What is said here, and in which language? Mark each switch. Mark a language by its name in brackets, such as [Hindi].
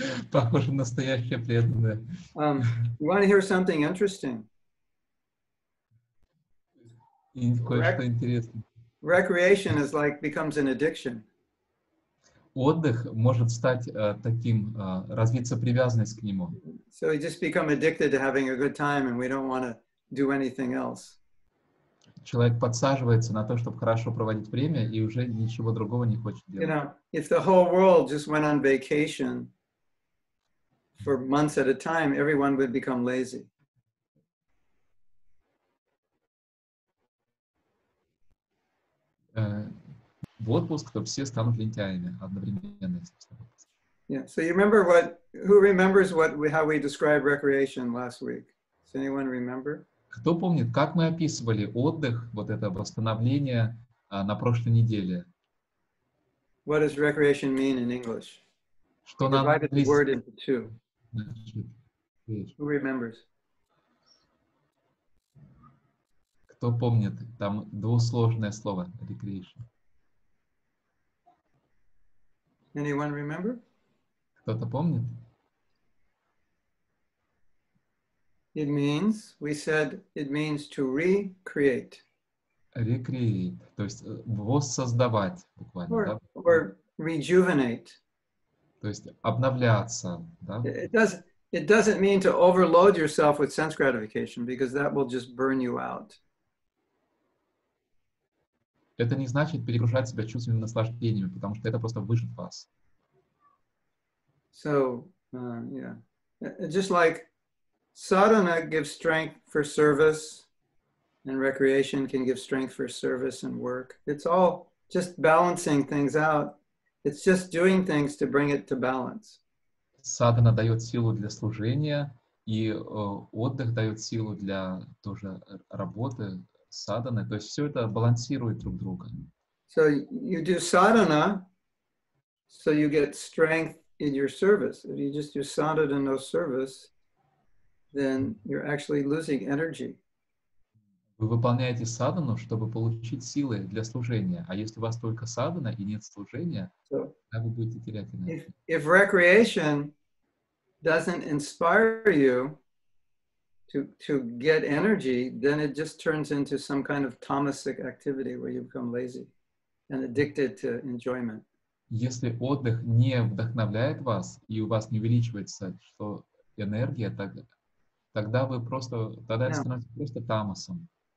[Russian] Похоже, настоящая преданная. [English] You want to hear something interesting? [Russian] Кое-что интересное. [English] Recreation is like becomes an addiction. [Russian] Отдых может стать таким, развиться привязанность к нему. [English] So we just become addicted to having a good time and we don't want to do anything else. [Russian] Человек подсаживается на то, чтобы хорошо проводить время, и уже ничего другого не хочет делать. [English] You know, if the whole world just went on vacation for months at a time, everyone would become lazy. [Russian] В отпуск, то все станут лентяями одновременно. [English] Yeah, so you remember what, who remembers what we, how we described recreation last week? Does anyone remember? [Russian] Кто помнит, как мы описывали отдых, вот это восстановление на прошлой неделе? [English] What does recreation mean in English? [Russian] Что нам... [English] Divided the word into two. Who remembers? [Russian] Кто помнит, там двусложное слово, recreation. [English] Anyone remember? [Russian] Кто-то помнит? [English] It means, we said, it means to recreate. [Russian] Recreate, то есть воссоздавать буквально, [English] or, [Russian] да? [English] Or rejuvenate. [Russian] То есть обновляться, да? [English] It doesn't mean to overload yourself with sense gratification, because that will just burn you out. [Russian] Это не значит перегружать себя чувственными наслаждениями, потому что это просто выжжет вас. [English] So, yeah, just like sadhana gives strength for service, and recreation can give strength for service and work. It's all just balancing things out. It's just doing things to bring it to balance. [Russian] Sadhana дает силу для служения, и отдых дает силу для тоже работы садханы. То есть все это балансирует друг друга. [English] So you do sadhana, so you get strength in your service. If you just do sadhana, no service, then you're actually losing energy. [Russian] Вы выполняете садхану, чтобы получить силы для служения. А если у вас только садхана и нет служения, тогда вы будете терять энергию. [English] If recreation doesn't inspire you to get energy, then it just turns into some kind of tamasic activity where you become lazy and addicted to enjoyment. [Russian] Если отдых не вдохновляет вас и у вас не увеличивается что энергия, тогда вы просто тогда yeah. становитесь просто тамасом.